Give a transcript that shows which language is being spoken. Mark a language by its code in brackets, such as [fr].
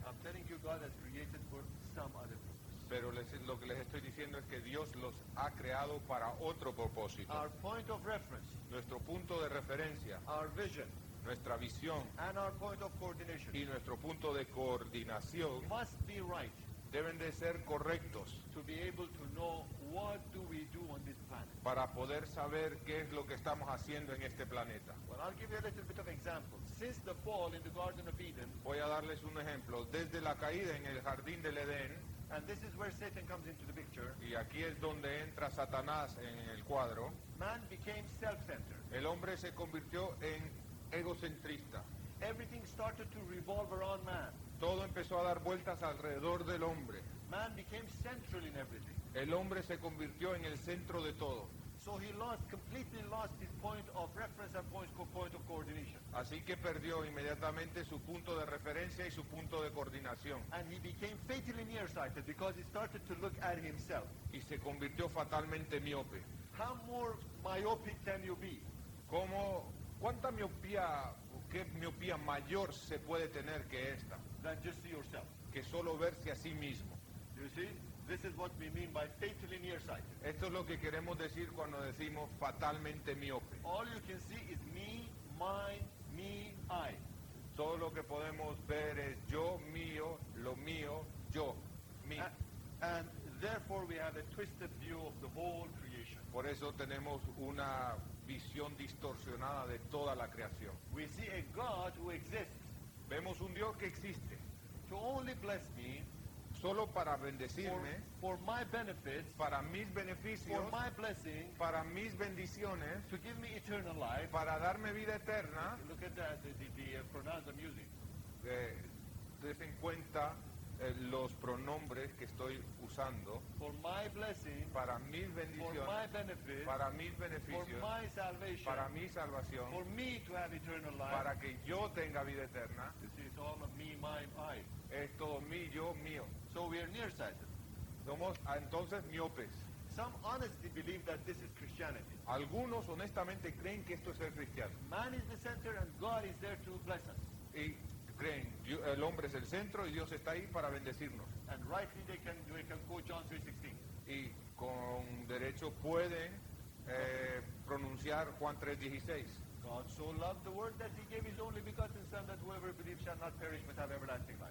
[en] I'm telling you God has created for some other purpose. [es] Pero lo que les estoy diciendo es que Dios los ha creado para otro propósito. [en] Our point of reference, [es] nuestro punto de referencia, [en] our vision, [es] nuestra visión, [en] and our point of coordination, [es] y nuestro punto de coordinación, [en] must be right. [es] deben de ser correctos [en] to be able to know what do we do on this planet. [es] Para poder saber qué es lo que estamos haciendo en este planeta. [en] Well, I'll give you a little bit of example. Since the fall in the Garden of Eden, [es] voy a darles un ejemplo. Desde la caída en el Jardín del Edén, [en] and this is where Satan comes into the picture. [es] Y aquí es donde entra Satanás en el cuadro. [en] Man became self-centered. [es] El hombre se convirtió en egocentrista. [en] Everything started to revolve around man. [es] Todo empezó a dar vueltas alrededor del hombre. [en] Man became central in everything. [es] El hombre se convirtió en el centro de todo. [en] So he lost, completely lost his point of reference and point of coordination. [es] Así que perdió inmediatamente su punto de referencia y su punto de coordinación. [en] And he became fatally nearsighted because he started to look at himself. [es] Y se convirtió fatalmente miope. [en] How more myopic can you be? [es] ¿Cómo, cuánta miopía, qué miopía mayor se puede tener que esta? [en] Than just see yourself. [es] Que solo verse a sí mismo. [en] You see, this is what we mean by fatally nearsighted. [es] Esto es lo que queremos decir cuando decimos fatalmente miope. [en] All you can see is me, mine, me, I. [es] Todo lo que podemos ver es yo, mío, lo mío, yo, me. [en] And therefore we have a twisted view of the whole creation. [es] Por eso tenemos una visión distorsionada de toda la creación. [en] We see a God who exists. [es] Vemos un Dios que existe. [en] To only bless me, [es] solo para bendecirme. [en] For my benefits, [es] para mis beneficios. [en] For my blessing, [es] para mis bendiciones. [en] To give me eternal life, [es] para darme vida eterna. [en] Look at that, the pronouns I'm using. [es] Ten en cuenta los pronombres que estoy usando. [en] For my blessing, [es] para mis bendiciones. [en] For my benefits, [es] para mis beneficios. [en] For my salvation, [es] para mi salvación. [en] For me to have eternal life, [es] para que yo tenga vida eterna. [en] It's all of me, my. [es] Es todo mí, yo, mío. [en] So we are nearsighted. [es] Somos entonces miopes. [en] Some honestly believe that this is Christianity. [es] Algunos honestamente creen que esto es el cristiano. [en] Man is the center and God is there to bless us. [es] Y creen, el hombre es el centro y Dios está ahí para bendecirnos. [en] And rightly they can quote John 3:16. [es] Y con derecho pueden pronunciar Juan 3:16. [en] God so loved the world that he gave his only begotten son that whoever believes shall not perish but have everlasting life.